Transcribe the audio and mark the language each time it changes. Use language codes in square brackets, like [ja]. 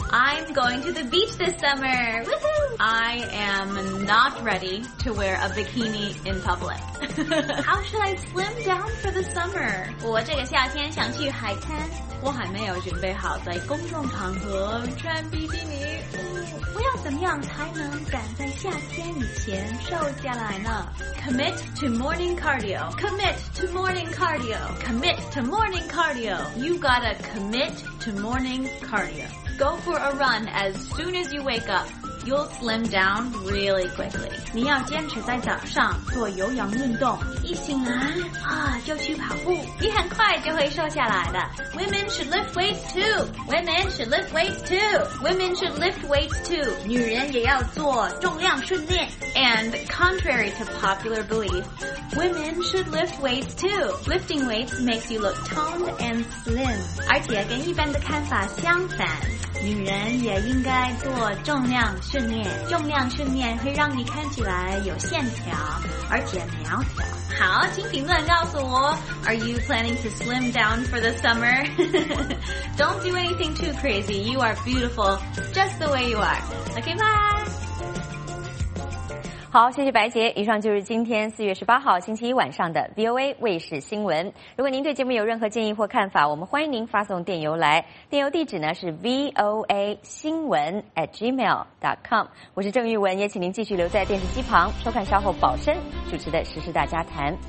[en] I'm going to the beach this summer Woohoo! I am not ready to wear a bikini in publicHow should I slim down for the summer? [zh] 我这个夏天想去海滩，我还没有准备好在公众场合穿比基尼。我要怎么样才能赶在夏天以前瘦下来呢？ [en] Commit to morning cardio. Commit to morning cardio. Commit to morning cardio. You gotta commit to morning cardio. Go for a run as soon as you wake up. You'll slim down really quickly. [zh] 你要坚持在早上做有氧运动，一醒来啊就去跑步，你很快就会瘦下来的。 [en] Women should lift weights too. Women should lift weights too. Women should lift weights too. [zh] 女人也要做重量训练。 [en] And contrary to popular belief, women should lift weights too. Lifting weights makes you look toned and slim. [zh] 而且跟一般的看法相反，女人也应该做重量训练。训练，重量训练会让你看起来有线条，而且苗条。好，请评论告诉我 [en] ，Are you planning to slim down for the summer? Don't do anything too crazy. You are beautiful just the way you are. Okay, bye. [zh] 好，谢谢白杰。以上就是今天4月18号星期一晚上的 VOA 卫视新闻。如果您对节目有任何建议或看法，我们欢迎您发送电邮来。电邮地址呢是 voasinwen@gmail.com。我是郑玉文，也请您继续留在电视机旁收看稍后宝申主持的时事大家谈。